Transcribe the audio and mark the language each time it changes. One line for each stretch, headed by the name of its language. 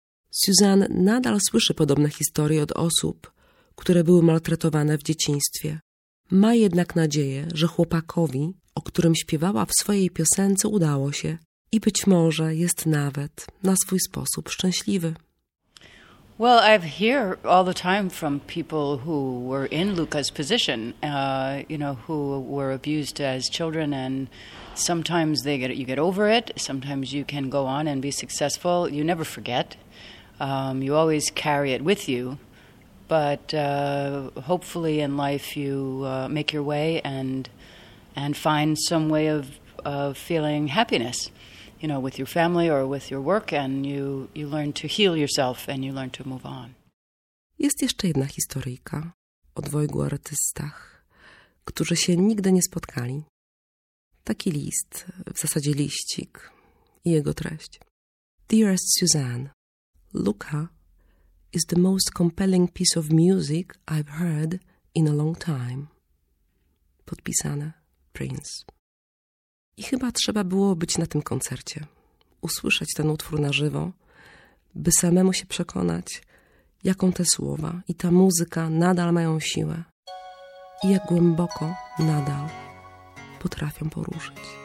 Polish: Suzanne nadal słyszy podobne historie od osób, które były maltretowane w dzieciństwie. Ma jednak nadzieję, że chłopakowi, o którym śpiewała w swojej piosence, udało się i być może jest nawet na swój sposób szczęśliwy.
English: Well, I hear all the time from people who were in Luca's position, you know, who were abused as children, and sometimes you get over it, sometimes you can go on and be successful. You never forget. You always carry it with you. But hopefully in life you make your way and find some way of feeling happiness, you know, with your family or with your work, and you learn to heal yourself and you learn to move on.
Polish: Jest jeszcze jedna historyjka o dwojgu artystach, którzy się nigdy nie spotkali. Taki list, w zasadzie liścik i jego treść.
English: Dearest Suzanne, Luca is the most compelling piece of music I've heard in a long time.
Polish: Podpisane Prince. I chyba trzeba było być na tym koncercie, usłyszeć ten utwór na żywo, by samemu się przekonać, jaką te słowa i ta muzyka nadal mają siłę i jak głęboko nadal potrafią poruszyć.